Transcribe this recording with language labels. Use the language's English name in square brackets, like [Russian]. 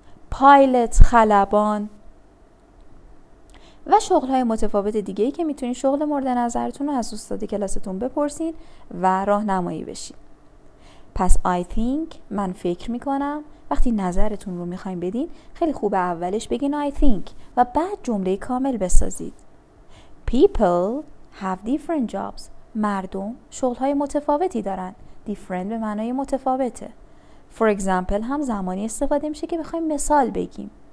[Persian] پایلت خلبان و شغل‌های متفاوت دیگه‌ای که میتونین شغل مورد نظرتون رو از استاد کلاستون بپرسین و راهنمایی بشین. پس [English] I think [Persian] من فکر میکنم وقتی نظرتون رو میخواییم بدین خیلی خوبه اولش بگین I think و بعد جمله کامل بسازید. [English] People have different jobs. [Persian] مردم شغل‌های متفاوتی دارن. Different به معنای متفاوته. [English] For example [Persian] هم زمانی استفاده میشه که بخوایم مثال بگیم.